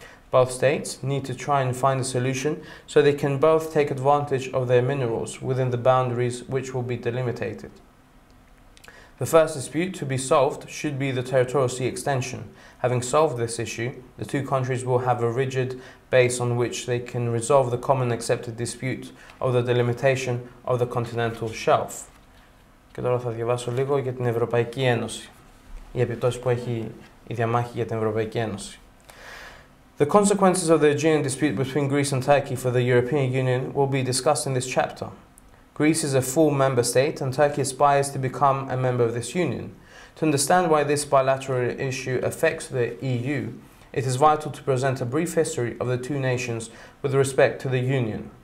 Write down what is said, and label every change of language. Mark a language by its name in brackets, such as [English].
[English] Both states need to try and find a solution so they can both take advantage of their minerals within the boundaries which will be delimited. The first dispute to be solved should be the territorial sea extension. Having solved this issue, the two countries will have a rigid base on which they can resolve the common accepted dispute of the delimitation of the continental shelf. [Greek] Και τώρα θα διαβάσω λίγο για την Ευρωπαϊκή Ένωση, οι επιπτώσεις που έχει η διαμάχη για την Ευρωπαϊκή Ένωση. [English] The consequences of the Aegean dispute between Greece and Turkey for the European Union will be discussed in this chapter. Greece is a full member state and Turkey aspires to become a member of this union. To understand why this bilateral issue affects the EU, it is vital to present a brief history of the two nations with respect to the union.